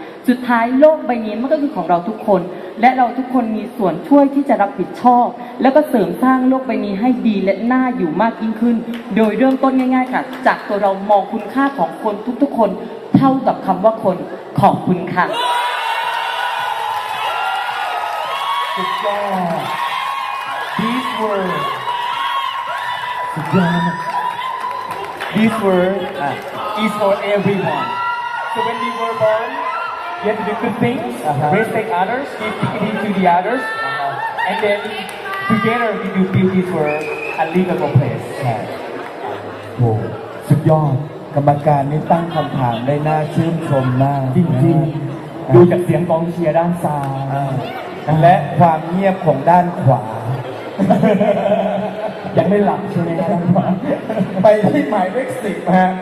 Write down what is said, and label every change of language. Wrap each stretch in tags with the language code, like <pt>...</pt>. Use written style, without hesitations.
<th>สุดท้ายโลกใบนี้มันก็คือของเราทุกคนและเราทุกคนมีส่วนช่วยที่จะรับผิดชอบแล้วก็เสริมสร้างโลกใบนี้ให้ดีและน่าอยู่มากยิ่งขึ้นโดยเริ่มต้นง่ายๆค่ะจากตัวเรามองคุณค่าของคนทุกๆคนเท่ากับคำว่าคนขอบคุณค่ะ สุดยอดดีสุดสุดยอด</th> <en>This world is for everyone. So when we were born, we have to do good things, respect others, give dignity to the others, and then together we do build this world a livable place.</en> <th>โอ้สุดยอดกรรมการนี่ตั้งคำถามได้น่าชื่นชมมาก จริงจริงดูจากเสียงกองเชียร์ด้านซ้าย และความเงียบของด้านขวายังไม่หลับใช่ไหมครับไปที่หมายเลข10ฮะ</th>